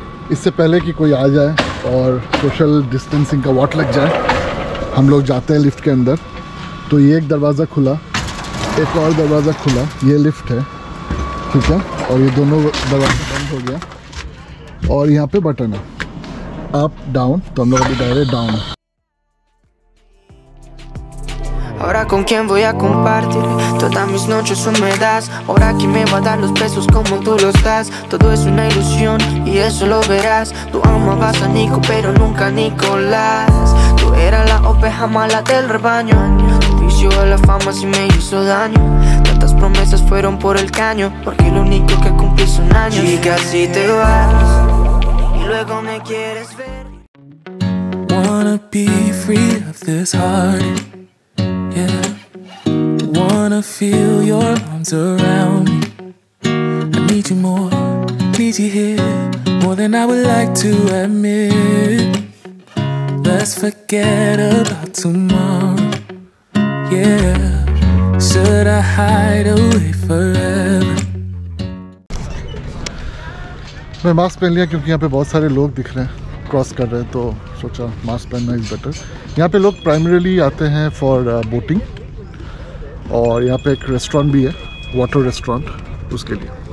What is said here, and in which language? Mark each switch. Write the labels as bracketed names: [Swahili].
[Hindi] इससे पहले कि कोई आ जाए और सोशल डिस्टेंसिंग का वाट लग जाए, हम लोग जाते हैं लिफ्ट के अंदर. तो ये एक दरवाज़ा खुला, एक और दरवाज़ा खुला, ये लिफ्ट है ठीक है, और ये दोनों दरवाजे बंद हो गया. और यहाँ पे बटन है अप डाउन, तो हम लोग अभी डायरेक्ट डाउन है. [Spanish] Ahora con quién voy a compartir todas mis noches húmedas. Ahora quién me va a dar los besos como tú los das. Todo es una ilusión y eso lo verás. Tú amabas a Nico pero nunca a Nicolás. Tú eras la oveja mala del rebaño. Tu vicio a la fama si me hizo daño. Tantas promesas fueron por el caño porque lo único que cumplí es un año. Chica si te vas y luego me quieres ver. [English] Wanna be free of this heart. Yeah, wanna feel your arms around me. I need you more, need you here more than I would like to admit. Let's forget about tomorrow. Yeah, should I hide away forever? [Hindi] मैं mask पहन लिया क्योंकि यहाँ पे बहुत सारे लोग दिख रहे हैं क्रॉस कर रहे हैं, तो सोचा मास्क पहनना [English] Is better. [Hindi] यहाँ पे लोग प्राइमरीली आते हैं [English] for boating, [Hindi] और यहाँ पे एक रेस्टोरेंट भी है, वाटर रेस्टोरेंट, उसके लिए.